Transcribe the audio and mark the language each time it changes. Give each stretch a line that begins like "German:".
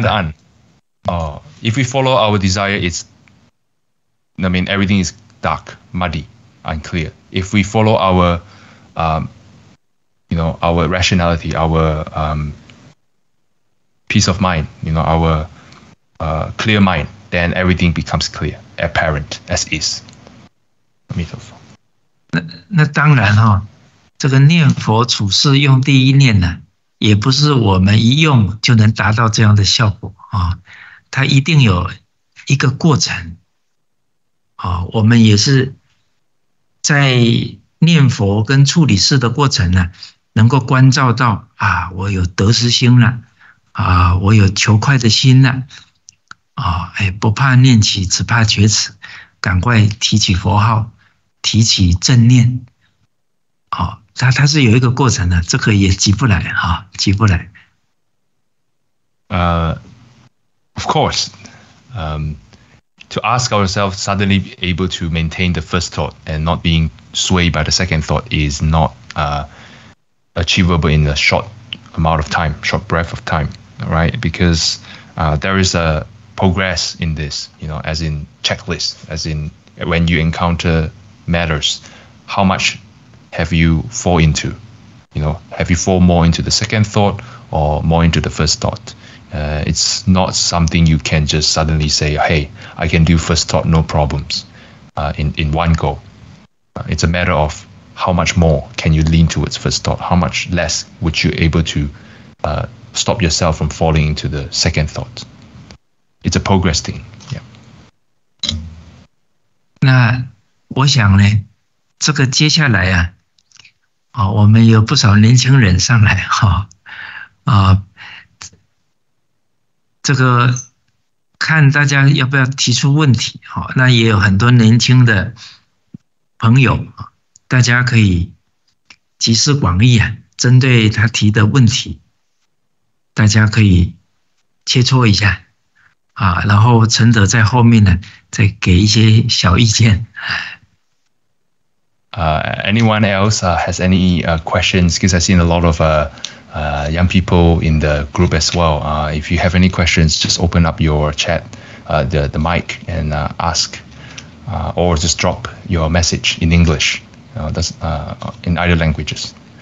Chinese: 黑暗,
English: if we follow our desire, it's, I mean, everything is dark, muddy, unclear. If we follow our, you know, our rationality, our peace of mind, you know, our clear mind, then everything becomes clear, apparent, as is.
Chinese: 阿弥陀佛。那当然哦, 这个念佛处事用第一念呢, 也不是我们一用就能达到这样的效果啊, 它一定有一个过程, 我们也是在念佛跟处理事的过程呢, 能够关照到, 啊, 我有得失心了, 啊, 我有求快的心了, 不怕念起，只怕觉迟， 赶快提起佛号， 提起正念， 它是有一个过程的， 这个也急不来， 急不来。
English: Of course, to ask ourselves suddenly able to maintain the first thought and not being swayed by the second thought is not achievable in a short amount of time, short breath of time, right? Because there is a progress in this, you know, as in checklist, as in when you encounter matters, how much have you fall into, you know, have you fall more into the second thought or more into the first thought? It's not something you can just suddenly say, hey, I can do first thought, no problems, in one go. It's a matter of how much more can you lean towards first thought, how much less would you able to stop yourself from falling into the second thought. It's a progress thing. Yeah.
Chinese: 那我想呢, 这个接下来啊, 哦, 我们有不少年轻人上来, 哦, 这个看大家要不要提出问题， 哦, 那也有很多年轻的朋友， 大家可以集思广益啊， 针对他提的问题， 大家可以切磋一下， 啊, 然后承德在后面呢， 再给一些小意见。
English: Anyone else has any questions? Because I've seen a lot of young people in the group as well. If you have any questions, just open up your chat, the mic, and ask, or just drop your message in English, in either languages.